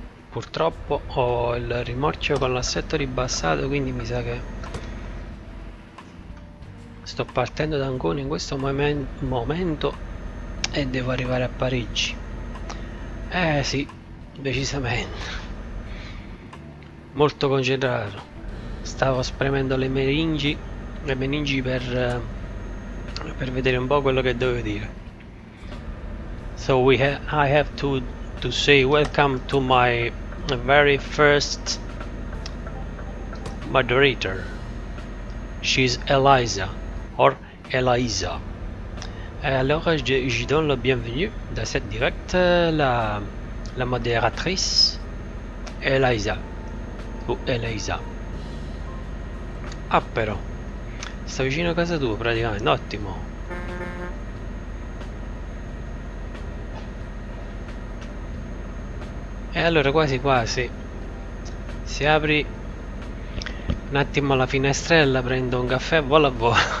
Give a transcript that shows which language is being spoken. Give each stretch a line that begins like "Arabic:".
Italian: Purtroppo ho il rimorchio con l'assetto ribassato, quindi mi sa che sto partendo da Ancona in questo momento e devo arrivare a Parigi. Eh sì, decisamente. Molto concentrato. Stavo spremendo le meningi per vedere un po' quello che dovevo dire.
English: So we ha I have to say welcome to my very first moderator. She's Eliza. Or Eliza.
French: Alors je donne la bienvenue dans cette direct la modératrice Eliza.
Italian: Ou Eliza. Ah però. Sta vicino a casa tua praticamente. Ottimo. E allora quasi quasi. Si apri un attimo la finestrella, prendo un caffè, voilà, voilà.